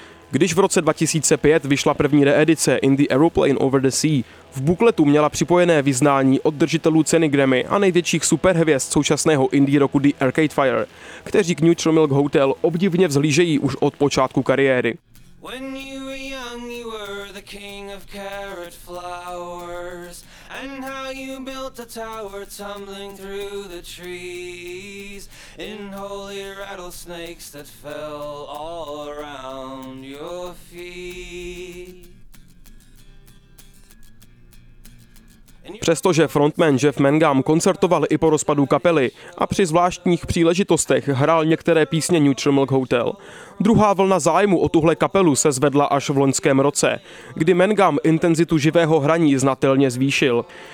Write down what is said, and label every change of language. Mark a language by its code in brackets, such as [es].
[cs] Když v roce 2005 vyšla první reedice In the Aeroplane Over the Sea, v bukletu měla připojené vyznání od držitelů ceny Grammy a největších superhvězd současného indie roku The Arcade Fire, kteří k Neutral Milk Hotel obdivně vzhlížejí už od počátku kariéry. [en] When you were young, you were the king of carrot flowers, and how you built a tower tumbling through the trees in holy rattlesnakes that fell all around your feet. [cs] Přestože frontman Jeff Mangum koncertoval i po rozpadu kapely a při zvláštních příležitostech hrál některé písně Neutral Milk Hotel, druhá vlna zájmu o tuhle kapelu se zvedla až v loňském roce, kdy Mangum intenzitu živého hraní znatelně zvýšil.